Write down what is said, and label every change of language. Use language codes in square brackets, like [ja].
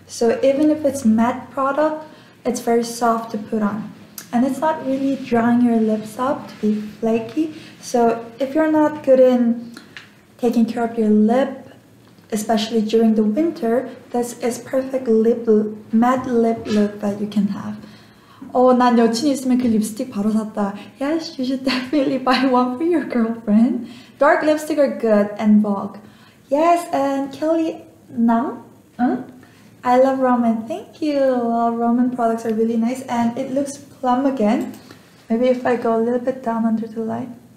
[en] So even if it's matte product, it's very soft to put on. And it's not really drying your lips up to be flaky. So if you're not good in taking care of your lip, especially during the winter, this is perfect lip, matte lip look that you can have. [ko] Oh, 난 여친 있으면 그 립스틱 바로 샀다. [en] Yes, you should definitely buy one for your girlfriend. Dark lipstick are good and vogue. Yes, and Kelly, now? I love ROMAND. Thank you. Well, ROMAND products are really nice and it looks plum again. Maybe if I go a little bit down under the light.